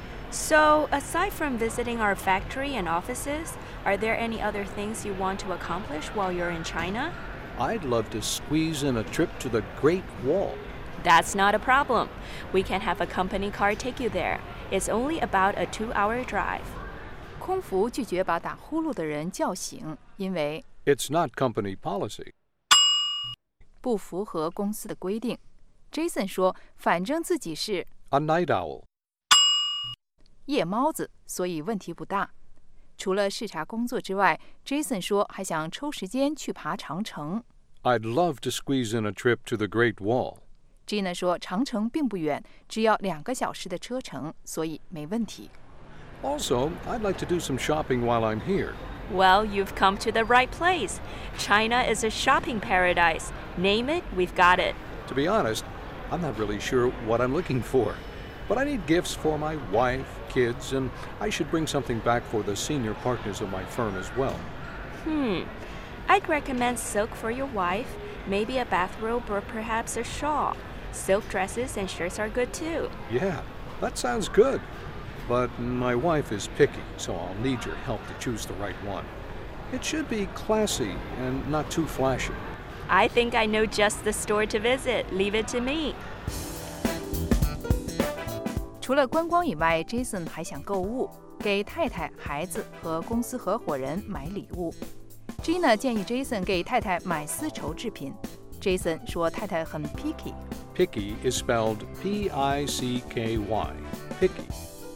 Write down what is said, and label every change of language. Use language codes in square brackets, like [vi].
[en] So, aside from visiting our factory and offices, are there any other things you want to accomplish while you're in China? I'd love to squeeze in a trip to the Great Wall. That's not a problem. We can have a company car take you there. It's only about a two-hour drive. [zh] 空服拒绝把打呼噜的人叫醒，因为 [en] It's not company policy. [zh] 不符合公司的规定。Jason 说，反正自己是 [en] A night owl. [zh] 夜猫子，所以问题不大。除了视察工作之外 ，Jason 说还想抽时间去爬长城。 [en] I'd love to squeeze in a trip to the Great Wall. [zh] Gina 说长城并不远，只要2个小时的车程，所以没问题。 [en] Also, I'd like to do some shopping while I'm here. Well, you've come to the right place. China is a shopping paradise. Name it, we've got it. To be honest, I'm not really sure what I'm looking for. But I need gifts for my wife, kids, and I should bring something back for the senior partners of my firm as well. I'd recommend silk for your wife, maybe a bathrobe or perhaps a shawl. Silk dresses and shirts are good too. Yeah, that sounds good. But my wife is picky, so I'll need your help to choose the right one. It should be classy and not too flashy. I think I know just the store to visit. Leave it to me. [zh] 除了观光以外 ，Jason 还想购物，给太太、孩子和公司合伙人买礼物。 Gina 建议 Jason 给太太买丝绸制品。Jason 说太太很 picky。 [en] Picky is spelled P-I-C-K-Y. Picky.